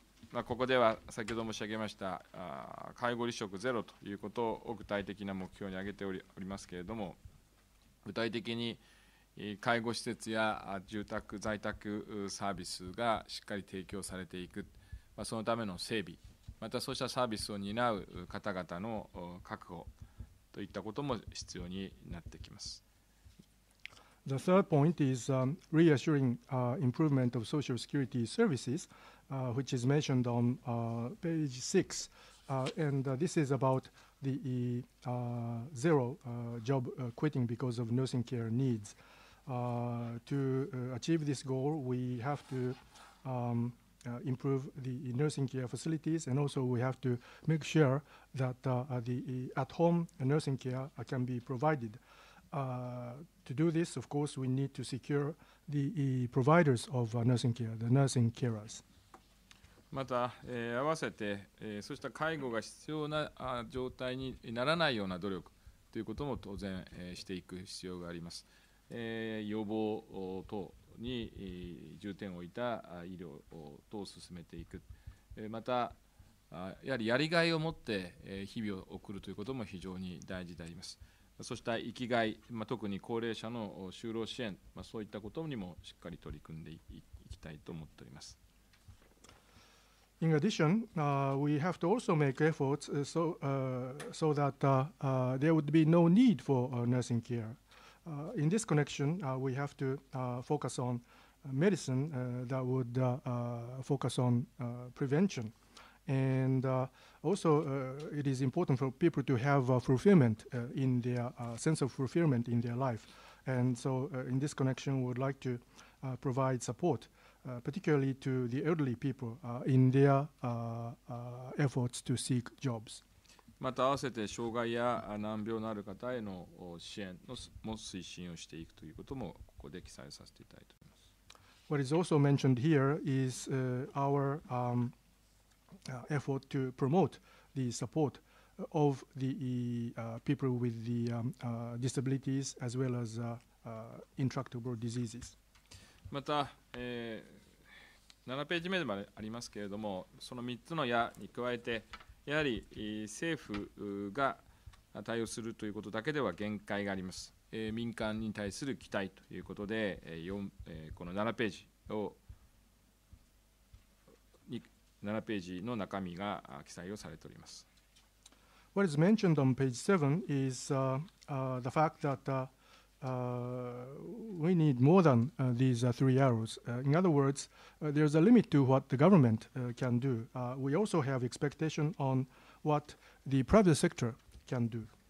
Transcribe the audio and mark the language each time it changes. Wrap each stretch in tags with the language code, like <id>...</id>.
<ja>まあ、ここでは先ほど申し上げました介護離職ゼロということを具体的な目標に挙げておりますけれども、具体的に介護施設や住宅在宅サービスがしっかり提供されていく、まあ、そのための整備、またそうしたサービスを担う方々の確保といったことも必要になってきます。</ja> <en>The third point is reassuring improvement of social security services, which is mentioned on page 6. And this is about the zero job quitting because of nursing care needs. To achieve this goal, we have to improve the nursing care facilities, and also we have to make sure that the at-home nursing care can be provided. To do this, of course, we need to secure the providers of nursing care, the nursing carers.</en> <ja>また、合わせて、そうした介護が必要な状態にならないような努力ということも当然、していく必要があります。予防等に重点を置いた医療等を進めていく、またやはりやりがいを持って日々を送るということも非常に大事であります。そうした生きがい、特に高齢者の就労支援、そういったことにもしっかり取り組んでいきたいと思っております。</ja> <en>In addition, we have to also make efforts so that there would be no need for nursing care. In this connection, we have to focus on medicine that would focus on prevention. And also, it is important for people to have fulfillment in their sense of fulfillment in their life. And so in this connection, we would like to provide support. Particularly to the elderly people in their efforts to seek jobs.</en> <ja>また併せて障害や難病のある方への支援も推進をしていくということもここで記載させていただいております。</ja> <en>What is also mentioned here is our effort to promote the support of the people with the disabilities as well as intractable diseases.</en> <ja>また、7ページ目でもありますけれども、その3つの矢に加えて、やはり政府が対応するということだけでは限界があります。民間に対する期待ということで、この7ページを7ページの中身が記載をされております。</ja> <en>What is mentioned on page 7 is the fact that we need more than these three arrows. In other words, there's a limit to what the government can do. We also have expectation on what the private sector can do.</en>